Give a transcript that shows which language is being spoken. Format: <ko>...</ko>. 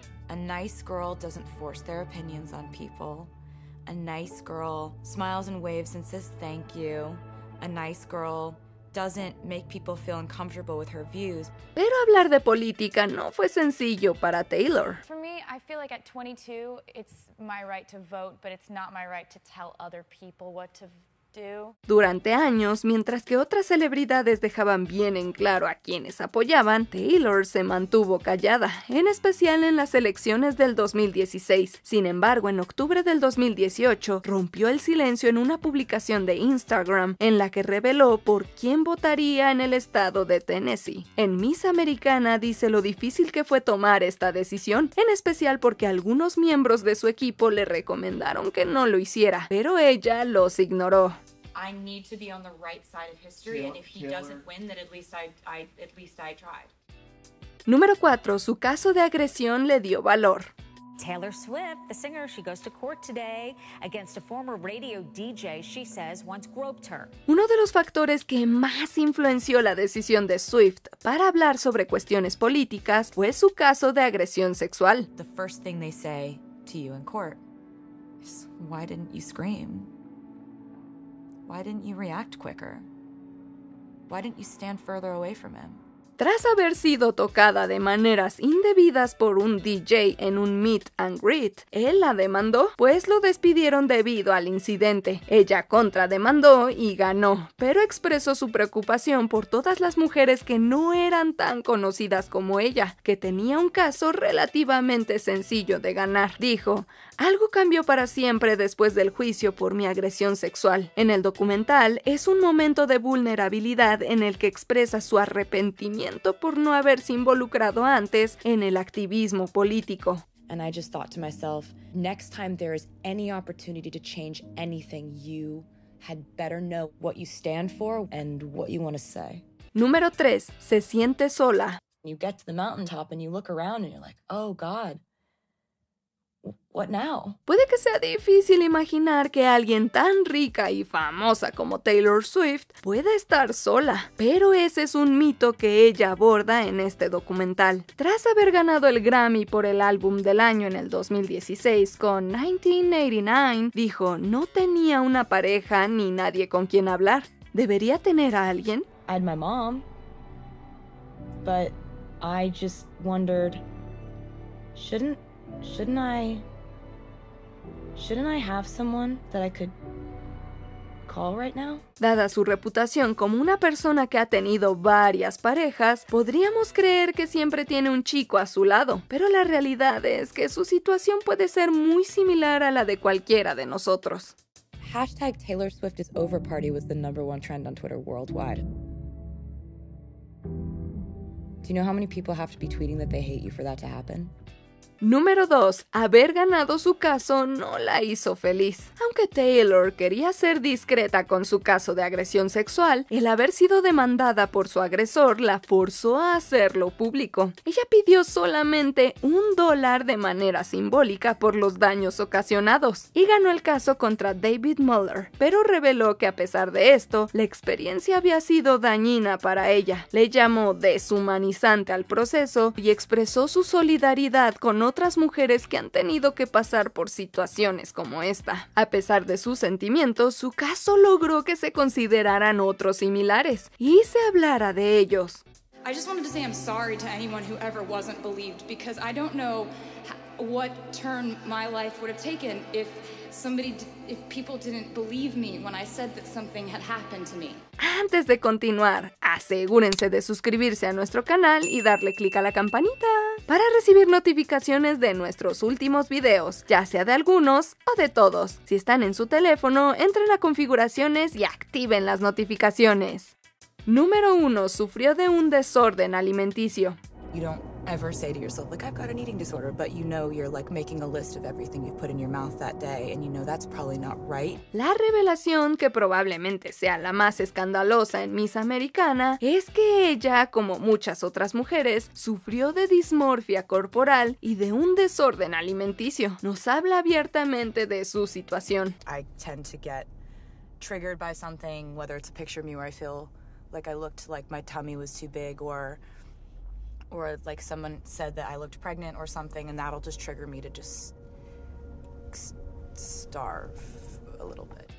<en>A nice girl doesn't force their opinions on people. A nice girl smiles and waves and says thank you. A nice girl doesn't make people feel uncomfortable with her views.</en> <es>Pero hablar de política no fue sencillo para Taylor.</es> <en>For me, I feel like at 22, it's my right to vote, but it's not my right to tell other people what to vote.</en> <es>Durante años, mientras que otras celebridades dejaban bien en claro a quienes apoyaban, Taylor se mantuvo callada, en especial en las elecciones del 2016. Sin embargo, en octubre del 2018, rompió el silencio en una publicación de Instagram en la que reveló por quién votaría en el estado de Tennessee. En Miss Americana dice lo difícil que fue tomar esta decisión, en especial porque algunos miembros de su equipo le recomendaron que no lo hiciera, pero ella los ignoró.</es> <en>I need to be on the right side of history, and if he doesn't win, then at least I tried.</en> <es>Número 4. Su caso de agresión le dio valor.</es> <en>Taylor Swift, the singer, she goes to court today against a former radio DJ she says once groped her.</en> <es>Uno de los factores que más influenció la decisión de Swift para hablar sobre cuestiones políticas fue su caso de agresión sexual.</es> <en>The first thing they say to you in court is, why didn't you scream? Why didn't you react quicker? Why didn't you stand further away from him?</en> <es>Tras haber sido tocada de maneras indebidas por un DJ en un meet and greet, él la demandó, pues lo despidieron debido al incidente. Ella contrademandó y ganó, pero expresó su preocupación por todas las mujeres que no eran tan conocidas como ella, que tenía un caso relativamente sencillo de ganar. Dijo: "Algo cambió para siempre después del juicio por mi agresión sexual". En el documental, es un momento de vulnerabilidad en el que expresa su arrepentimiento por no haberse involucrado antes en el activismo político.</es> <en>And I just thought to myself, next time there is any opportunity to change anything, you had better know what you stand for and what you want to say.</en> <es>Número 3. Se siente sola.</es> <en>You get to the mountaintop and you look around and you're like, oh God. What now?</en> <es>Puede que sea difícil imaginar que alguien tan rica y famosa como Taylor Swift pueda estar sola, pero ese es un mito que ella aborda en este documental. Tras haber ganado el Grammy por el álbum del año en el 2016 con 1989, dijo: "No tenía una pareja ni nadie con quien hablar. ¿Debería tener a alguien?".</es> <en>I had my mom, but I just wondered, shouldn't I have someone that I could call right now?</en> <es>Dada su reputación como una persona que ha tenido varias parejas, podríamos creer que siempre tiene un chico a su lado, pero la realidad es que su situación puede ser muy similar a la de cualquiera de nosotros.</es> <en>Hashtag Taylor Swift is over party was the number one trend on Twitter worldwide. Do you know how many people have to be tweeting that they hate you for that to happen?</en> <es>Número 2. Haber ganado su caso no la hizo feliz. Aunque Taylor quería ser discreta con su caso de agresión sexual, el haber sido demandada por su agresor la forzó a hacerlo público. Ella pidió solamente $1 de manera simbólica por los daños ocasionados y ganó el caso contra David Mueller, pero reveló que a pesar de esto, la experiencia había sido dañina para ella. Le llamó deshumanizante al proceso y expresó su solidaridad con otras mujeres que han tenido que pasar por situaciones como esta. A pesar de sus sentimientos, su caso logró que se consideraran otros similares y se hablara de ellos.</es> <en>I just wanted to say I'm sorry to anyone who ever wasn't believed, because I don't know what turn my life would have taken if somebody, if people didn't believe me when I said that something had happened to me.</en> <es>Antes de continuar, asegúrense de suscribirse a nuestro canal y darle click a la campanita para recibir notificaciones de nuestros últimos videos, ya sea de algunos o de todos. Si están en su teléfono, entren a configuraciones y activen las notificaciones. Número 1. Sufrió de un desorden alimenticio.</es> <en>You don't ever say to yourself, like, I've got an eating disorder, but you know you're, like, making a list of everything you put in your mouth that day, and you know that's probably not right.</en> <es>La revelación, que probablemente sea la más escandalosa en Miss Americana, es que ella, como muchas otras mujeres, sufrió de dismorfia corporal y de un desorden alimenticio. Nos habla abiertamente de su situación.</es> <en>I tend to get triggered by something, whether it's a picture of me where I feel like I looked like my tummy was too big, or like someone said that I looked pregnant or something, and that'll just trigger me to just starve a little bit.</en>